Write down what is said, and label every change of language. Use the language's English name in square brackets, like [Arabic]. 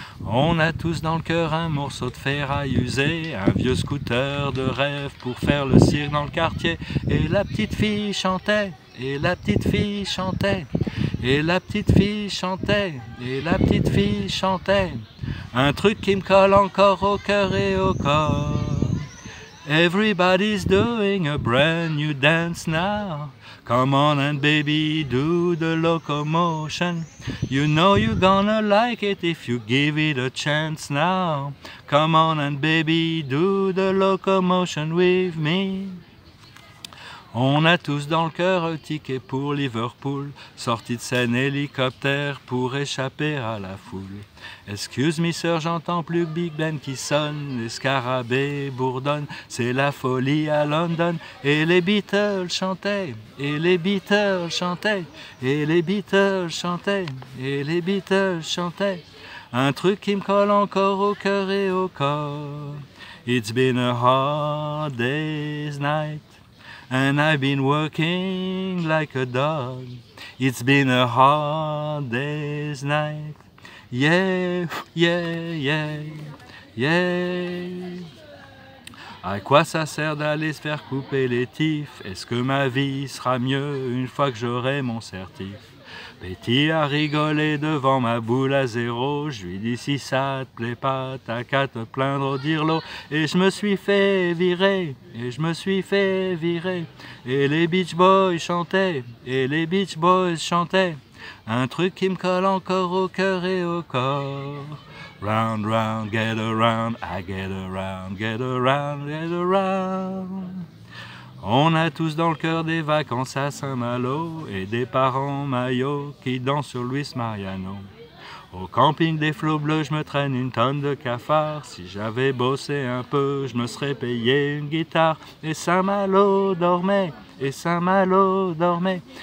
[French] On a tous dans le cœur un morceau de ferraille usé, un vieux scooter de rêve pour faire le cirque dans le quartier. Et la petite fille chantait, et la petite fille chantait, et la petite fille chantait, et la petite fille chantait. Un truc qui me colle encore au cœur et au corps. [English] Everybody's doing a brand new dance now. Come on and baby, do the locomotion. You know you're gonna like it if you give it a chance now. Come on and baby, do the locomotion with me. [French] On a tous dans le cœur un ticket pour Liverpool, sortie de scène hélicoptère pour échapper à la foule. [English] Excuse me sir, [French] j'entends plus que Big Ben qui sonne, les scarabées bourdonnent, c'est la folie à London. Et les Beatles chantaient, et les Beatles chantaient, et les Beatles chantaient, et les Beatles chantaient. Un truc qui me colle encore au cœur et au corps. [English] It's been a hard day's night. And I've been working like a dog. It's been a hard day's night. [French] Yeah, yeah, yeah, yeah. À quoi ça sert d'aller se faire couper les tifs? Est-ce que ma vie sera mieux une fois que j'aurai mon certif? Betty a rigolé devant ma boule à zéro. Je lui dis si ça te plaît pas, t'as qu'à te plaindre au dirlo. Et je me suis fait virer, et je me suis fait virer. Et les Beach Boys chantaient, et les Beach Boys chantaient. un truc qui me colle encore au cœur et au corps. [English] Round, round, get around, I get around, get around, get around. [French] On a tous dans le cœur des vacances à Saint-Malo et des parents maillots qui dansent sur Luis Mariano. Au camping des flots bleus, je me traîne une tonne de cafards. Si j'avais bossé un peu, je me serais payé une guitare. Et Saint-Malo dormait, et Saint-Malo dormait.